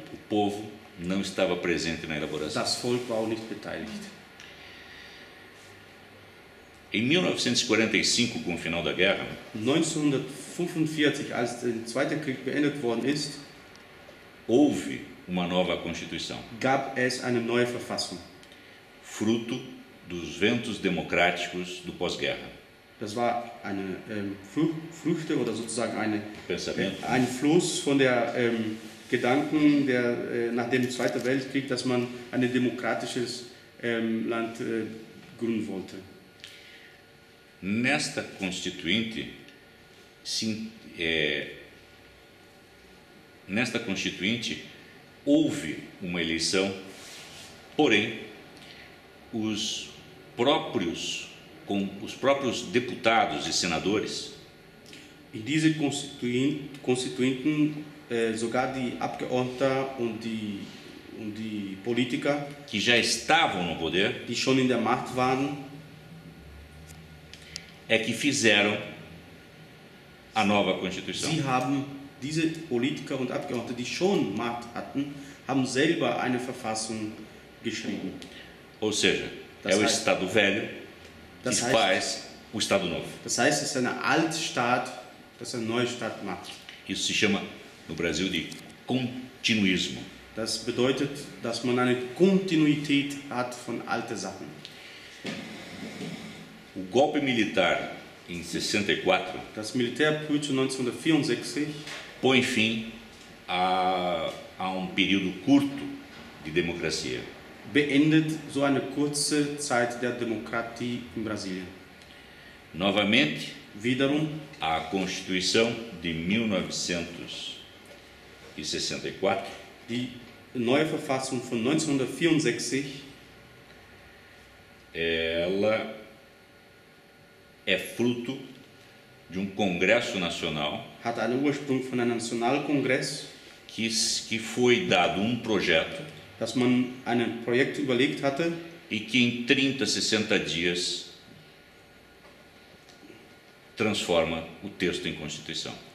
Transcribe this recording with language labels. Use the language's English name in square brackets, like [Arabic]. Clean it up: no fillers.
[Portuguese] O povo não estava presente na elaboração. [German] Das Volk war nicht beteiligt. [Portuguese] Em 1945, com o final da guerra, [German] 1945, als der Zweite Krieg beendet worden ist, [Portuguese] houve uma nova constituição. [German] Gab es eine neue Verfassung. [Portuguese] Fruto dos ventos democráticos do pós-guerra. [German] Das war eine Früchte oder sozusagen eine [Portuguese] Pensamento. [German] Ein Fluss von der Gedanken der nach dem Zweiten Weltkrieg, dass man ein demokratisches Land gründen wollte. [Portuguese] Nesta constituinte sim nesta constituinte houve uma eleição, porém os próprios deputados e senadores. [German] In diese Konstituenten, sogar die Abgeordneten und die Politiker, [Portuguese] que já estavam no poder, [German] die schon in der Macht waren, [Portuguese] é que fizeram a nova Constituição. [German] Sie haben diese Politiker und Abgeordnete, die schon Macht hatten, haben selber eine Verfassung geschrieben. [Portuguese] Ou seja, [German] das [Portuguese] é o Estado velho que faz o Estado novo. [German] Das heißt, es ist ein Altstaat, das ein Neustaat macht. [Portuguese] Isso se chama no Brasil de continuismo. [German] Das bedeutet, dass man eine Kontinuität hat von alten Sachen. [Portuguese] O golpe militar em 64. [German] Das Militärputsch 1964 [Portuguese] põe fim a um período curto de democracia. [German] Beendet so eine kurze Zeit der Demokratie in Brasilien. [Portuguese] Novamente, [German] wiederum, [Portuguese] a Constituição de 1964, [German] die neue Verfassung von 1964, [Portuguese] ela é fruto de um Congresso Nacional, [German] hat einen Ursprung von einem Nationalkongress, [Portuguese] que foi dado um projeto, [German] dass man einen Projekt überlegt hatte, [Portuguese] e que em 30, 60 dias transforma o texto em Constituição.